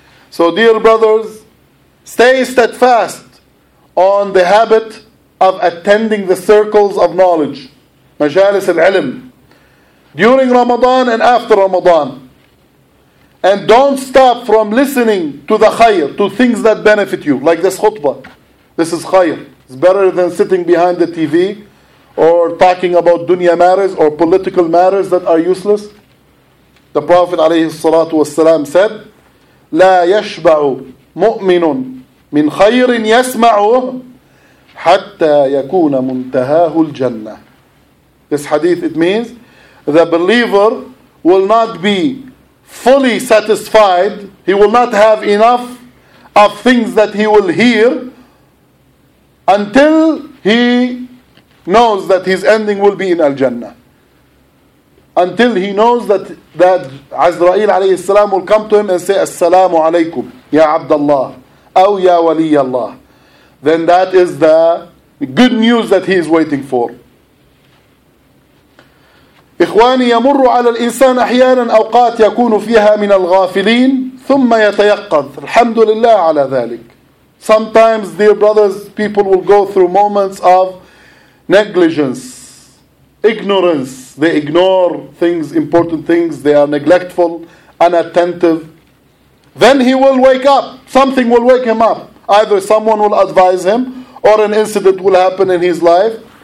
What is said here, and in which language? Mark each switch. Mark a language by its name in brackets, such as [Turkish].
[English] So dear brothers, stay steadfast on the habit of attending the circles of knowledge, majalis al-ilm, during Ramadan and after Ramadan. And don't stop from listening to the khayr, to things that benefit you, like this khutbah. This is khayr. It's better than sitting behind the TV or talking about dunya matters or political matters that are useless. The Prophet [Arabic] عليه الصلاة والسلام [English] said, [Arabic] لا يشبع مؤمن من خير يسمعه حتى يكون منتهاه الجنة. [English] This hadith, it means the believer will not be fully satisfied, he will not have enough of things that he will hear until he knows that his ending will be in Al-Jannah. Until he knows that Azrael alayhi salam will come to him and say, Assalamu alaykum, Ya Abdullah, aw Ya Wali Allah. Then that is the good news that he is waiting for. [Arabic] إخواني يمر على الإنسان أحيانا أوقات يكون فيها من الغافلين ثم يتيقظ الحمد لله على ذلك. [English] Sometimes, dear brothers, people will go through moments of negligence, ignorance. They ignore things, important things. They are neglectful, unattentive. Then he will wake up. Something will wake him up. Either someone will advise him or an incident will happen in his life.